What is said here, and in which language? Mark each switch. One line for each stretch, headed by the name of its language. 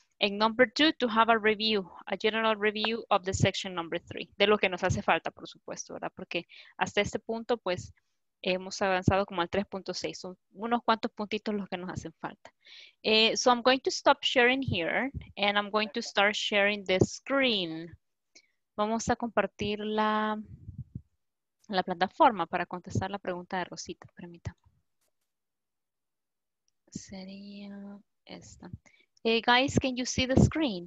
English: And number 2, to have a review, a general review of the section number 3.
Spanish: De lo que nos hace falta, por supuesto, ¿verdad? Porque hasta este punto, pues, hemos avanzado como al 3.6. Son unos cuantos puntitos los que nos hacen falta.
English: So I'm going to stop sharing here. And I'm going to start sharing the screen.
Spanish: Vamos a compartir la plataforma para contestar la pregunta de Rosita. Permítame. Sería esta.
English: Hey guys, can you see the screen?